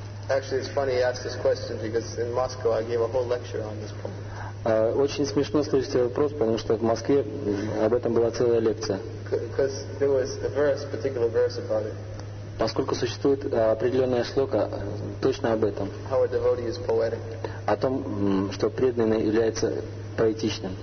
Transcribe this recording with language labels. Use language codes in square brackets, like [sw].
[en] Actually, it's funny you asked this question because in Moscow I gave a whole lecture on this point. [ru] Очень смешно слышать вопрос, потому что в Москве об этом была целая лекция. [en] Because there was a verse, particular verse about it. [ru] Поскольку существует определенная шлока точно об этом. [en] How a devotee is poetic. О том, что преданный является поэтичным.